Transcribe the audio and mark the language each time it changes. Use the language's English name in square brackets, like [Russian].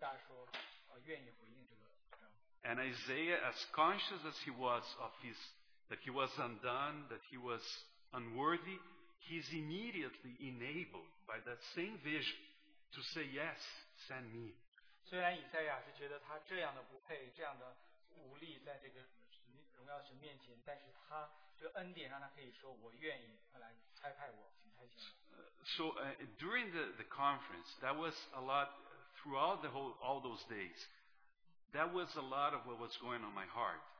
[Chinese] 这个恩典就让以赛亚可以能够有能力来回答说愿意回应这个。 [English] And Isaiah, as conscious as he was of his, that he was undone, that he was unworthy, he's immediately enabled by that same vision to say, yes, send me. [Chinese] 虽然以赛亚是觉得他这样的不配，这样的 无力在这个荣耀神面前，但是他这个恩典让他可以说我愿意来差派我，请差遣。 [English] So during the conference, that was a lot throughout the whole all those days. That was a lot of what was going on my heart.